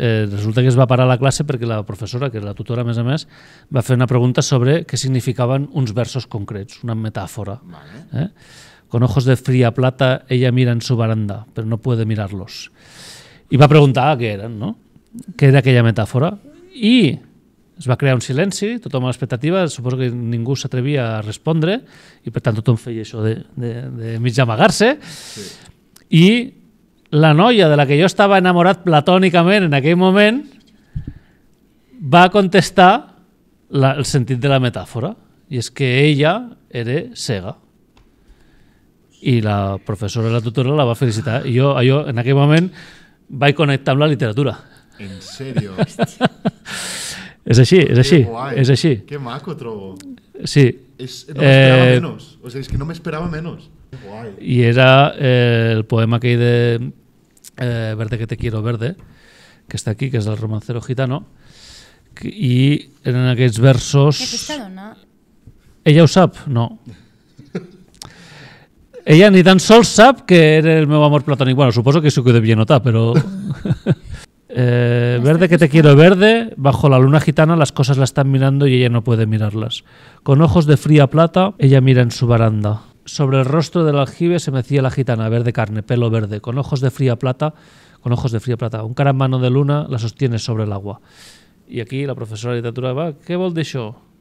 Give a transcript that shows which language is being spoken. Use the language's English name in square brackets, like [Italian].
[Catalan] Resulta que es va parar la classe perquè la professora, que és la tutora més a més, va fer una pregunta sobre què significaven uns versos concrets, una metàfora. Vale. [Spanish] Con ojos de fría plata, ella mira en su baranda, pero no puede mirarlos. [Catalan] I va preguntar què eren, no? Què era aquella metàfora? I es va crear un silenci, tothom a l'expectativa, suposo que ningú s'atrevia a respondre, i per tant tothom feia això de mig amagar-se. Sí. I la noia de la que jo estava enamorat platònicament en aquell moment va contestar el sentit de la metàfora, i és que ella era cega. I la professora i la tutora la va felicitar. I jo en aquell moment vaig connectar amb la literatura. En sèrio? És així, és així. És així. Que maco trobo. Sí. No m'esperava menys. I era el poema aquell de Verde que te quiero verde, que està aquí, que és del Romancero Gitano, i eren aquests versos... Ella ho sap? No. Ella ni tan sols sap que era el meu amor platònic. Bueno, suposo que sí que ho devia notar, però... [Spanish] verde que te quiero verde, bajo la luna gitana las cosas la están mirando y ella no puede mirarlas. Con ojos de fría plata, ella mira en su baranda. Sobre el rostro del aljibe se mecía la gitana, verde carne, pelo verde. Con ojos de fría plata, con ojos de fría plata. Un cara en mano de luna la sostiene sobre el agua. [Catalan] I aquí la professora de literatura va, què vol dir això?